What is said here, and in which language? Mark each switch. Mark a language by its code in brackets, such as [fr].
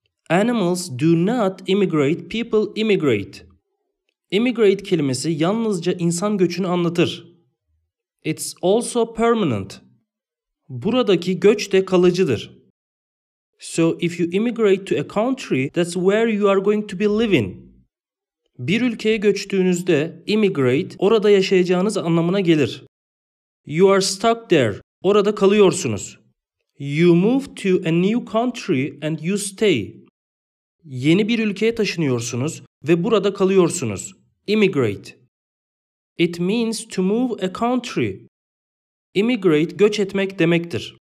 [en] Animals do not immigrate, people immigrate. [tr] Immigrate kelimesi yalnızca insan göçünü anlatır. [en] It's also permanent. [tr] Buradaki göç de kalıcıdır. [en] So if you immigrate to a country, that's where you are going to be living. [tr] Bir ülkeye göçtüğünüzde immigrate orada yaşayacağınız anlamına gelir. [en] You are stuck there. [tr] Orada kalıyorsunuz. [en] You move to a new country and you stay. [tr] Yeni bir ülkeye taşınıyorsunuz ve burada kalıyorsunuz. Immigrate. [en] It means to move a country. [tr] Immigrate göç etmek demektir.